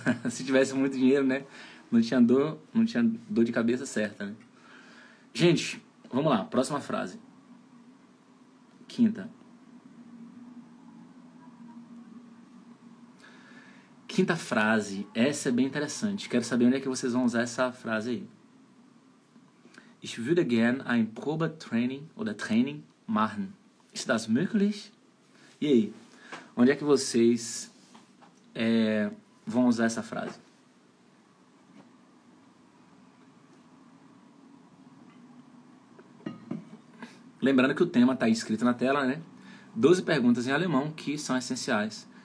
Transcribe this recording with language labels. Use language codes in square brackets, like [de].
[pt] Se tivesse muito dinheiro, né? Não tinha dor de cabeça certa, né? Gente, vamos lá. Próxima frase. Quinta frase, essa é bem interessante. Quero saber onde é que vocês vão usar essa frase aí. [de] Ich würde gern ein Probetraining oder Training machen. Ist das möglich? [pt] E aí, onde é que vocês vão usar essa frase? Lembrando que o tema está escrito na tela, né? 12 perguntas em alemão que são essenciais.